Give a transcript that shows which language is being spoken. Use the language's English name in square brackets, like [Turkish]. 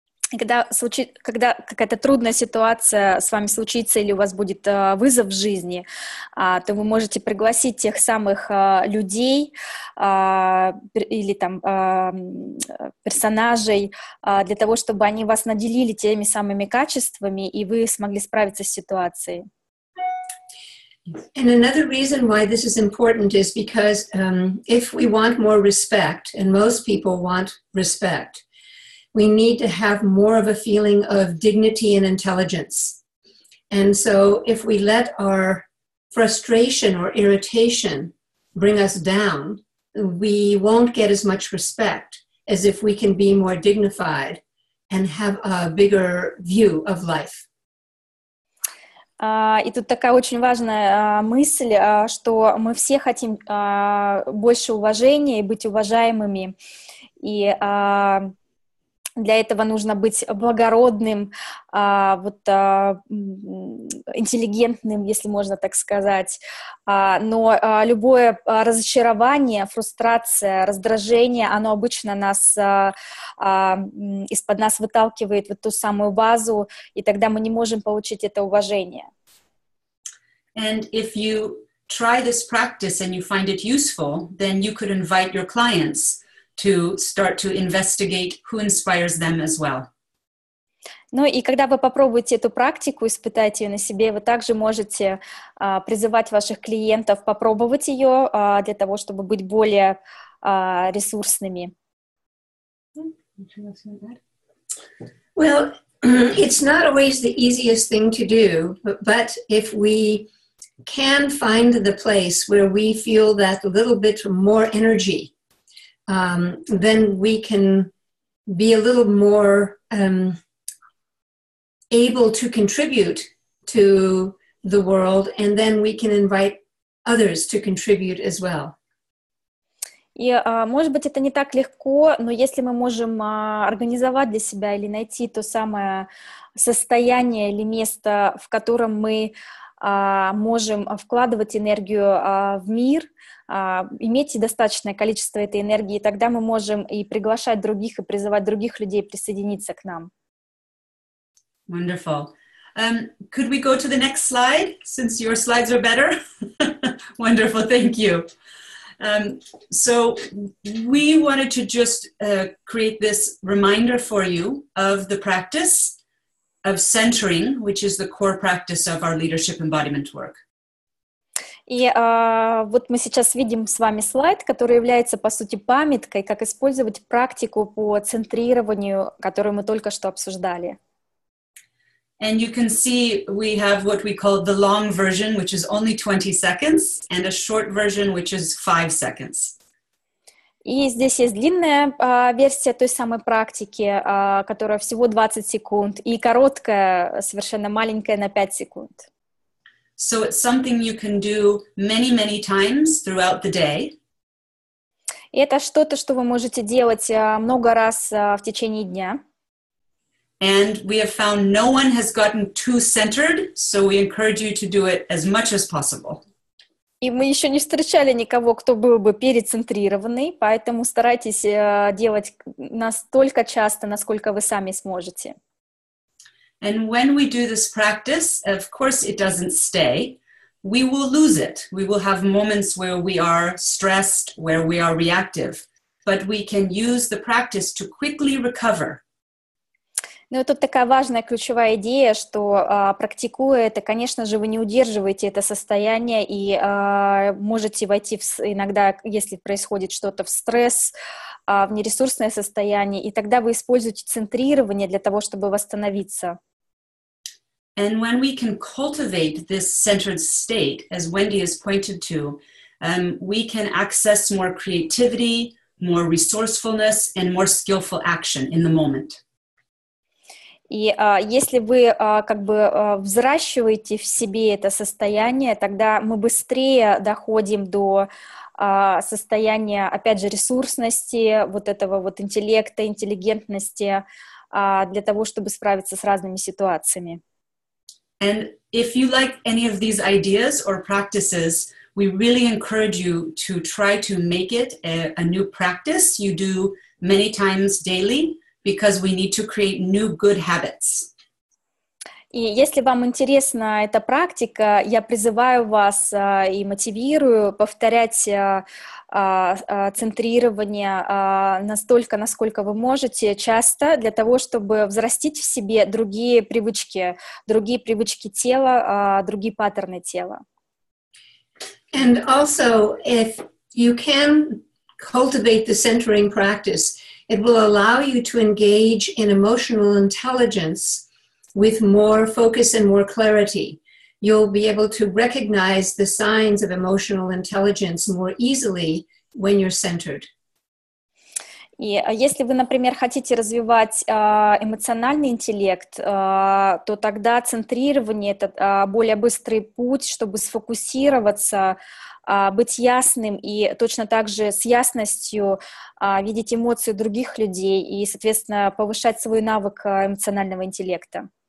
[Russian] Когда какая-то трудная ситуация с вами случится или у вас будет вызов в жизни, то вы можете пригласить тех самых людей или там персонажей для того, чтобы они вас наделили теми самыми качествами, и вы смогли справиться с ситуацией. [English] And another reason why this is important is because if we want more respect, and most people want respect, we need to have more of a feeling of dignity and intelligence. And so if we let our frustration or irritation bring us down, we won't get as much respect as if we can be more dignified and have a bigger view of life. [Russian] И тут такая очень важная мысль, что мы все хотим больше уважения и быть уважаемыми. И для этого нужно быть благородным, интеллигентным, если можно так сказать. Любое разочарование, фрустрация, раздражение, оно обычно нас из-под нас выталкивает в ту самую базу, и тогда мы не можем получить это уважение. [English] And if you try this practice and you find it useful, then you could invite your clients to start to investigate who inspires them as well. [Russian] Ну и когда вы попробуете эту практику, испытаете ее на себе, вы также можете призывать ваших клиентов попробовать ее для того, чтобы быть более ресурсными. [English] Well, it's not always the easiest thing to do, but if we can find the place where we feel that little bit more energy, then we can be a little more able to contribute to the world, and then we can invite others to contribute as well. [Russian] И, может быть, это не так легко, но если мы можем организовать для себя или найти то самое состояние или место, в котором мы можем вкладывать энергию в мир, иметь достаточное количество этой энергии, тогда мы можем и приглашать других, и призывать других людей присоединиться к нам. [English] Wonderful. Could we go to the next slide, since your slides are better? Wonderful, thank you. So we wanted to just create this reminder for you of the practice of centering, which is the core practice of our leadership embodiment work. [Russian] И вот мы сейчас видим с вами слайд, который является, по сути, памяткой, как использовать практику по центрированию, которую мы только что обсуждали. [English] And you can see we have what we call the long version, which is only 20 seconds, and a short version, which is 5 seconds. [Russian] И здесь есть длинная версия той самой практики, которая всего 20 секунд, и короткая, совершенно маленькая, на 5 секунд. [English] So it's something you can do many, many times throughout the day. [Russian] И это что-то, что вы можете делать много раз в течение дня. [English] And we have found no one has gotten too centered, so we encourage you to do it as much as possible. [Russian] И мы еще не встречали никого, кто был бы перецентрированный, поэтому старайтесь делать настолько часто, насколько вы сами сможете. [English] And when we do this practice, of course it doesn't stay, we will lose it. We will have moments where we are stressed, where we are reactive, but we can use the practice to quickly recover. [Russian] Ну, тут такая важная ключевая идея, что практикуя это, конечно же, вы не удерживаете это состояние и можете войти иногда, если происходит что-то в стресс, в нересурсное состояние, и тогда вы используете центрирование для того, чтобы восстановиться. [English] And when we can cultivate this centered state, as Wendy has pointed to, we can access more creativity, more resourcefulness, and more skillful action in the moment. [Russian] И если вы взращиваете в себе это состояние, тогда мы быстрее доходим до состояния, опять же, ресурсности, вот этого вот интеллекта, интеллигентности для того, чтобы справиться с разными ситуациями. [English] And if you like any of these ideas or practices, we really encourage you to try to make it a new practice you do many times daily, because we need to create new good habits. [Russian] И если вам интересна эта практика, я призываю вас и мотивирую повторять центрирование настолько, насколько вы можете, часто, для того, чтобы взрастить в себе другие привычки тела, другие паттерны тела. [English] And also, if you can cultivate the centering practice, it will allow you to engage in emotional intelligence with more focus and more clarity. You'll be able to recognize the signs of emotional intelligence more easily when you're centered. [Russian] И если вы, например, хотите развивать эмоциональный интеллект, то тогда центрирование — это более быстрый путь, чтобы сфокусироваться, быть ясным и точно так же с ясностью видеть эмоции других людей и, соответственно, повышать свой навык эмоционального интеллекта.